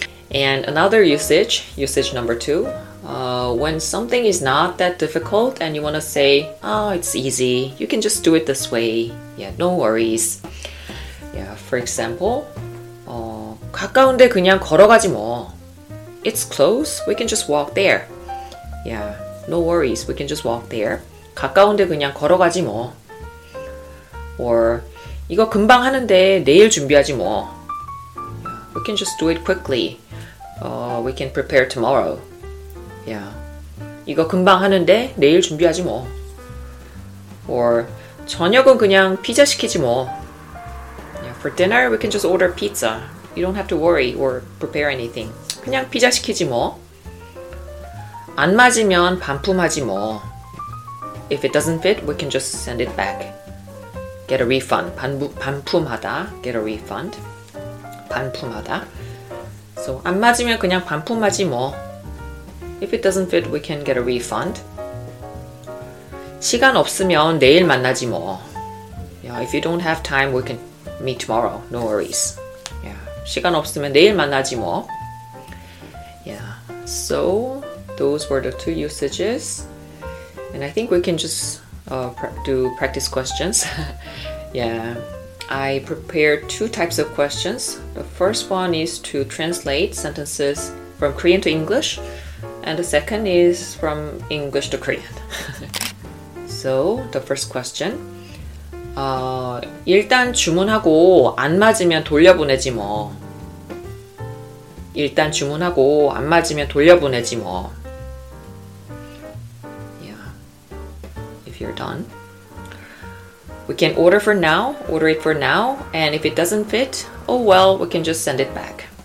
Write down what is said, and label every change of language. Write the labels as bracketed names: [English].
[English] And another usage number two, when something is not that difficult and you want to say, it's easy, you can just do it this way. Yeah, no worries. Yeah, for example, [Korean] 가까운데 그냥 걸어가지 뭐. [English] It's close, we can just walk there. Yeah, no worries, we can just walk there. [Korean] 가까운데 그냥 걸어가지 뭐. Or, 이거 금방 하는데 내일 준비하지 뭐. [English] Yeah, we can just do it quickly. We can prepare tomorrow. Yeah. [Korean] 이거 금방 하는데 내일 준비하지 뭐. Or 저녁은 그냥 피자 시키지 뭐. [English] Yeah, for dinner, we can just order pizza. You don't have to worry or prepare anything. [Korean] 그냥 피자 시키지 뭐. 안 맞으면 반품하지 뭐. [English] If it doesn't fit, we can just send it back. Get a refund. 반품하다. Get a refund. 반품하다. [Korean] So, 안 맞으면 그냥 반품하지 뭐. [English] If it doesn't fit, we can get a refund. [Korean] 시간 없으면 내일 만나지 뭐. [English] Yeah, if you don't have time, we can meet tomorrow. No worries. Yeah, [Korean] 시간 없으면 내일 만나지 뭐. [English] Yeah, so those were the two usages. And I think we can just do practice questions. Yeah. I prepared 2 types of questions. The first one is to translate sentences from Korean to English, And the second is from English to Korean. So, the first question. [Korean] 일단 주문하고 안 맞으면 돌려보내지 뭐. 일단 주문하고 안 맞으면 돌려보내지 뭐. [English] You're done. We can order for now, order it for now, and if it doesn't fit, oh well, we can just send it back.